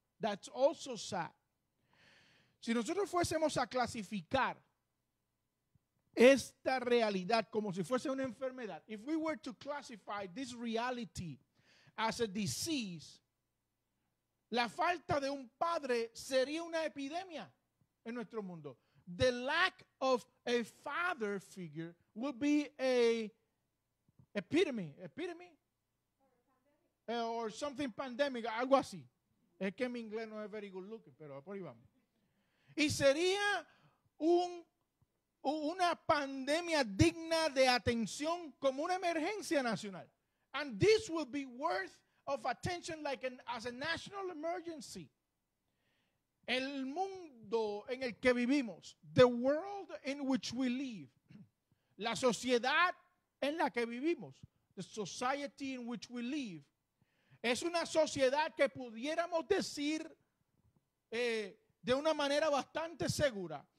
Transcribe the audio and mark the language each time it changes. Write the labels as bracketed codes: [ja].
[es] That's also sad. Si nosotros fuésemos a clasificar esta realidad como si fuese una enfermedad, [en] if we were to classify this reality as a disease, [es] la falta de un padre sería una epidemia en nuestro mundo. [en] The lack of a father figure would be a epidemic? Or something pandemic, [es] algo así. Es que mi inglés no es [en] very good looking, [es] pero por ahí vamos. Y sería una pandemia digna de atención como una emergencia nacional. [en] And this would be worth of attention like as a national emergency. [es] El mundo en el que vivimos, [en] the world in which we live, [es] la sociedad en la que vivimos, [en] the society in which we live, [es] es una sociedad que pudiéramos decir de una manera bastante segura,